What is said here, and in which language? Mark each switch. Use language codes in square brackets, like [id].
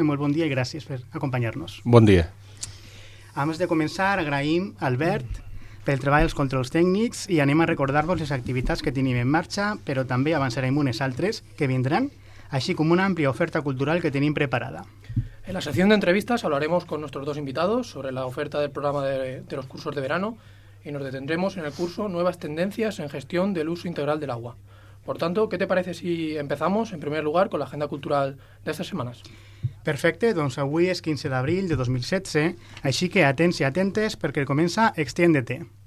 [ca] I molt bon dia i gràcies per acompanyar-nos. Bon dia. Abans de començar, agraïm a Albert pel treball dels controls tècnics i anem a recordar-vos les activitats que tenim en marxa, però també avançarem unes altres que vindran, així com una àmplia oferta cultural que tenim preparada. [es] En la sección de entrevistas hablaremos con nuestros dos invitados sobre la oferta del programa de los cursos de verano y nos detendremos en el curso Nuevas tendencias en gestión del uso integral del agua. Por tanto, ¿qué te parece si empezamos en primer lugar con la agenda cultural de estas semanas? [ca] Perfecte, doncs avui és 15 d'abril de 2016, així que atents i atentes perquè comença Extiéndete.